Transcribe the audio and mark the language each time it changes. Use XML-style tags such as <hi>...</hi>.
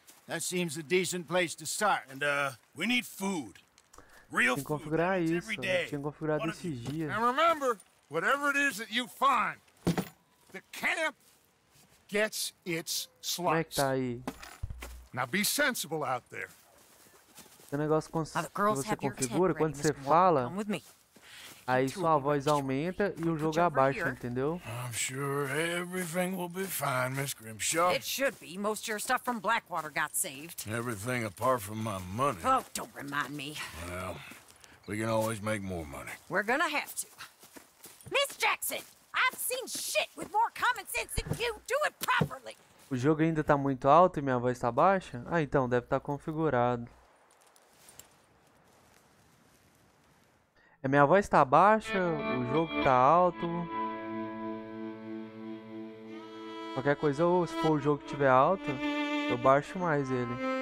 <en>That seems a decent place to start. And we need food. Real</en> <pt>tem que configurar</pt> <en>food.</en> <pt>Isso. Tinha configurado esses dias.</pt> <en>And remember, whatever it is that you find, the camp gets its slice.</en> <pt>Como é que tá aí?</pt> <en>Now be sensible out there.</en> <pt>Tem um negócio com você configura quando você fala. Aí sua voz aumenta e o jogo abaixa, entendeu?</pt> <en>I'm sure everything will be fine, Miss Grimshaw. It should be. Most of your stuff from Blackwater got saved. Everything apart from my money. Oh, don't remind me. Well, we can always make more money. We're gonna have to. Miss Jackson, I've seen shit with more common sense than you. Do it properly.</en> <pt>O jogo ainda tá muito alto e minha voz tá baixa? Ah, então, deve estar configurado. É, minha voz tá baixa, o jogo tá alto. Qualquer coisa, ou se for o jogo que tiver alto, eu baixo mais ele.</pt>